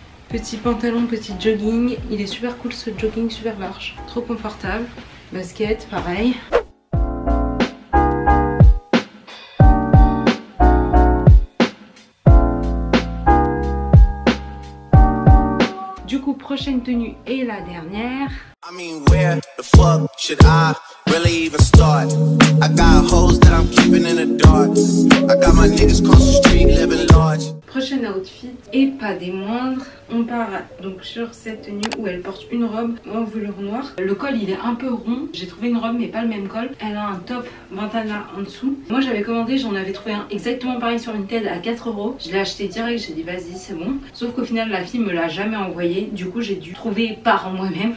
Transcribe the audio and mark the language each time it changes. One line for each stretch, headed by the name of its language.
French: Petit pantalon, petit jogging. Il est super cool ce jogging, super large. Trop confortable. Basket, pareil. Du coup, prochaine tenue et la dernière.
English: I mean, where the fuck should I really even start? I got hoes that I'm keeping in the dark. I got my niggas cross the street living large.
French: Prochain outfit et pas des moindres, on part donc sur cette tenue où elle porte une robe en velours noir. Le col il est un peu rond, j'ai trouvé une robe mais pas le même col. Elle a un top bandana en dessous. Moi j'avais commandé, j'en avais trouvé un exactement pareil sur Vinted à 4€. Je l'ai acheté direct, j'ai dit vas-y c'est bon. Sauf qu'au final la fille me l'a jamais envoyé, du coup j'ai dû trouver par moi-même.